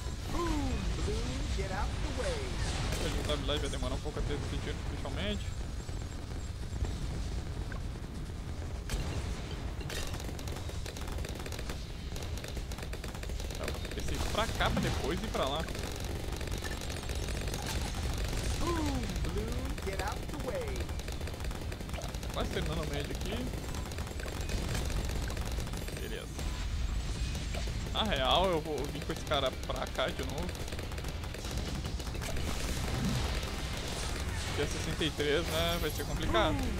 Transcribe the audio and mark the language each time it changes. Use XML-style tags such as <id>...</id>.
<en>Boom, Bloom, get out the way.</en> <pt>A jogabilidade vai demorar um pouco a ter sentido oficialmente. Esse pra cá pra depois ir pra lá.</pt> <en>Boom, Bloom, get out the way.</en> <pt>Quase terminando o médio aqui. Beleza. Na real, eu vou vir com esse cara pra cá de novo. 63, né? Vai ser complicado.</pt>